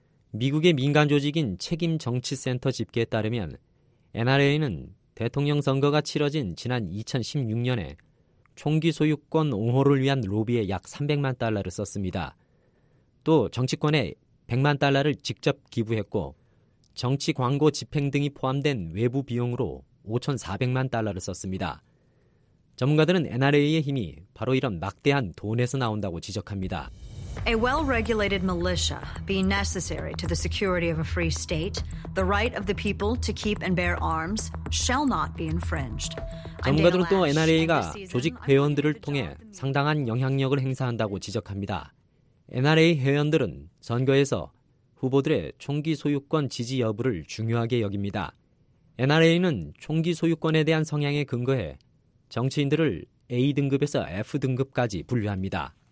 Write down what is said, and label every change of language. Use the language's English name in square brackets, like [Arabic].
[Korean] 미국의 민간 조직인 책임정치센터 집계에 따르면 NRA는 대통령 선거가 치러진 지난 2016년에 총기 소유권 옹호를 위한 로비에 약 300만 달러를 썼습니다. 또 정치권에 100만 달러를 직접 기부했고 정치 광고 집행 등이 포함된 외부 비용으로 5,400만 달러를 썼습니다. 전문가들은 NRA의 힘이 바로 이런 막대한 돈에서 나온다고 지적합니다. [English] A well-regulated militia being necessary to the security of a free state, the right of the people to keep and bear arms shall not be infringed. [Korean] 전문가들은 또 NRA가 조직 회원들을 통해 상당한 영향력을 행사한다고 지적합니다. NRA 회원들은 선거에서 후보들의 총기 소유권 지지 여부를 중요하게 여깁니다. NRA는 총기 소유권에 대한 성향에 근거해 정치인들을 A등급에서 F등급까지 분류합니다.